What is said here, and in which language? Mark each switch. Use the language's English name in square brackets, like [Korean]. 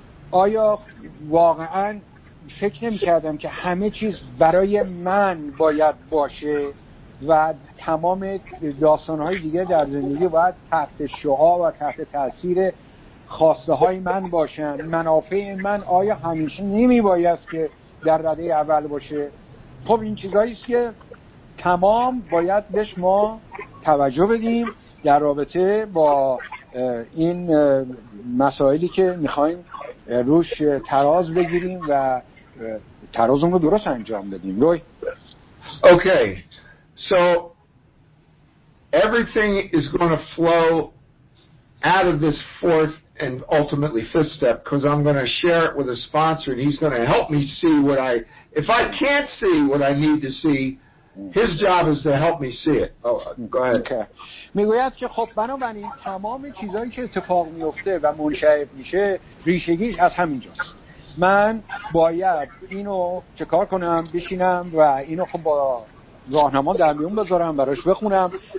[Persian] آیا واقعا فکر نمی کردم که همه چیز برای من باید باشه و تمام داستانهای دیگه در زندگی باید تحت شعاع و تحت تأثیر خواسته های من باشن، منافع من آیا همیشه نمی بایست که در رده اول باشه؟ خب این چیزاییست که تمام باید بهش ما توجه بدیم در رابطه با این مسائلی که میخواییم روش تراز بگیریم و ترازمون رو درست انجام بدیم. روی [English] Okay, so everything is going to flow out of this fourth and ultimately fifth step, because I'm going to share it with a sponsor and he's going to help me see what I, if I can't see what I need to see, his job is to help me see it. Oh, go ahead. Okay. [Persian] میگوید که خب بنابراین تمام چیزایی که اتفاق میفته و منشعب میشه ریشگیش از همینجاست. من باید اینو چکار کنم، بشینم و اینو خب با راهنما در میون بذارم، براش بخونم.